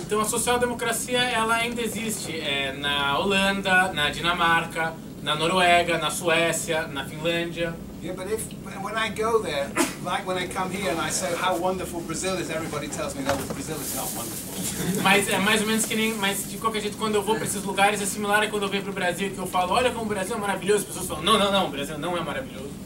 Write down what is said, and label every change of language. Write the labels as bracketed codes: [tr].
[pt] Então a social-democracia ela ainda existe na Holanda, na Dinamarca, na Noruega, na Suécia, na Finlândia. [en] Yeah, but if when I go there, like when I come here and I say how wonderful Brazil is, everybody tells me that Brazil is not wonderful. [pt] Mas é mais ou menos que nem, mas de qualquer jeito quando eu vou para esses lugares é similar a quando eu venho para o Brasil que eu falo, olha como o Brasil é maravilhoso, as pessoas falam, não, o Brasil não é maravilhoso.